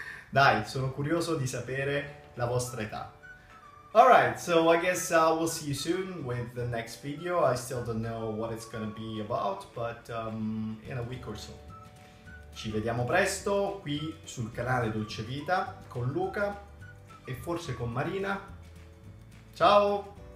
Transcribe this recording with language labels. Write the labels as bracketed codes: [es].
[it] Dai, sono curioso di sapere la vostra età. [en] Alright, so I guess we'll see you soon with the next video. I still don't know what it's gonna be about, but in a week or so. [it] Ci vediamo presto qui sul canale Dolce Vita con Luca e forse con Marina. Ciao!